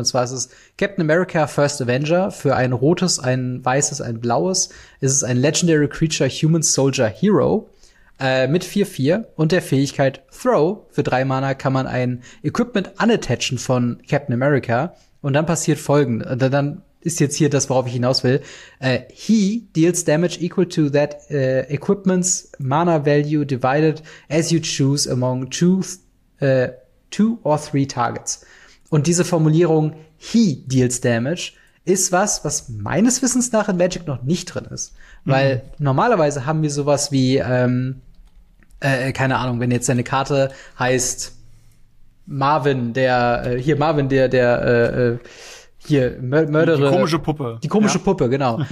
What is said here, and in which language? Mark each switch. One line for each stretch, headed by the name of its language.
German: Und zwar ist es Captain America First Avenger. Für ein rotes, ein weißes, ein blaues ist es ein Legendary Creature Human Soldier Hero mit 4-4 und der Fähigkeit Throw. Für 3 Mana kann man ein Equipment unattachen von Captain America. Und dann passiert Folgendes. Dann ist jetzt hier das, worauf ich hinaus will.
English: He deals damage equal to that equipment's mana value divided as you choose among two or three targets.
German: Und diese Formulierung,
English: he deals damage,
German: ist was, was meines Wissens nach in Magic noch nicht drin ist. Weil normalerweise haben wir sowas wie, keine Ahnung, wenn jetzt deine Karte heißt Marvin, die komische Puppe, genau.